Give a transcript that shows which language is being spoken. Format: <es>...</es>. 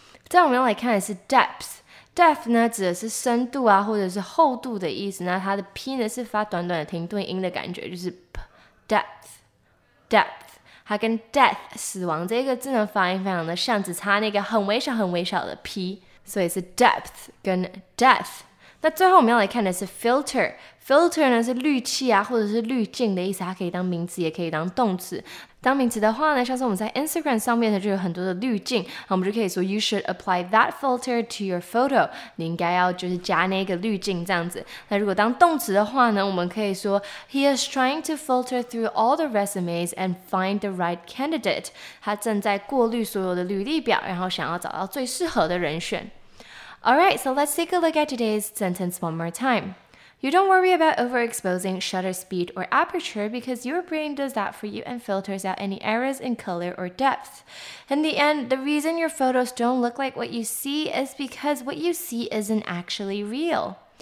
<zh>再我们要来看的是 depth depth 呢指的是深度啊或者是厚度的意思那它的 P 呢是发短短的停顿音的感觉就是 P depth depth 它跟 death 死亡这个字呢发音非常的像只差那个很微小很微小的 P 所以是 depth 跟 death 那最后我们要来看的是 filterFilter 呢是滤器啊或者是滤镜的意思它可以当名词也可以当动词。当名词的话呢像是我们在 Instagram 上面呢就有很多的滤镜我们就可以说</zh> <en>You should apply that filter to your photo.</en> <zh>你应该要就是加那个滤镜这样子。那如果当动词的话呢我们可以说</zh> <en>He is trying to filter through all the resumes and find the right candidate.</en> <zh>他正在过滤所有的履历表然后想要找到最适合的人选。</zh> <en>Alright, so let's take a look at today's sentence one more time. You don't worry about overexposing, shutter speed, or aperture because your brain does that for you and filters out any errors in color or depth. In the end, the reason your photos don't look like what you see is because what you see isn't actually real.</en>